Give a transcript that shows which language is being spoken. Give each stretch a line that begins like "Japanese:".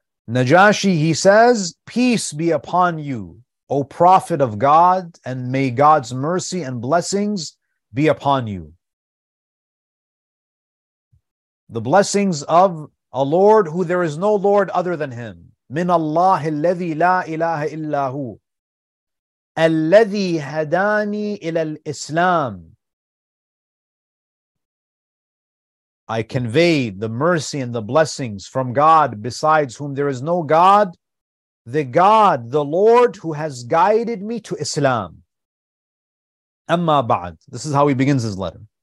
English: Najashi, he says, peace be upon you, O Prophet of God, and may God's mercy and blessings be upon you. The blessings of a Lord who there is no Lord other than Him.
Arabic: من الله الذي لا إله إلا هو الذي هداني إلى الإسلام
English: I convey the mercy and the blessings from God besides whom there is no God, the God, the Lord who has guided me to Islam. Amma ba'd. This is how he begins his letter.